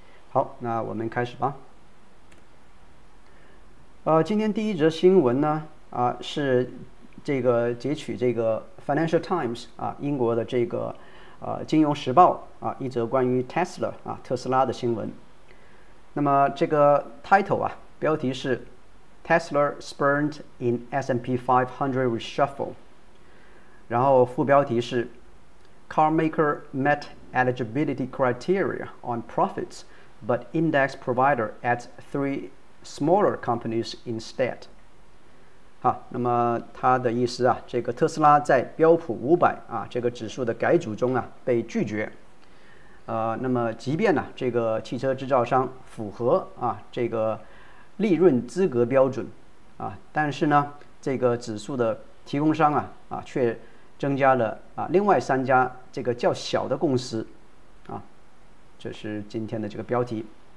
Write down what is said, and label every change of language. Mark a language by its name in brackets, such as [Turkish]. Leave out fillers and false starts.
[Chinese] 好，那我们开始吧。今天第一则新闻呢，是。这个截取这个 Financial Times 啊，英国的这个金融时报啊，一则关于 Tesla 啊特斯拉的新闻。那么这个 [English] title [Chinese] 啊，标题是 [English] Tesla spurned in S&P 500 reshuffle， [Chinese] 然后副标题是 [English] Carmaker met eligibility criteria on profits but index provider adds three smaller companies instead。 [Chinese] 好，那么他的意思啊，这个特斯拉在标普500啊这个指数的改组中啊被拒绝，那么即便呢、啊、这个汽车制造商符合啊这个利润资格标准啊，但是呢这个指数的提供商啊却增加了啊另外三家这个较小的公司，这是今天的这个标题。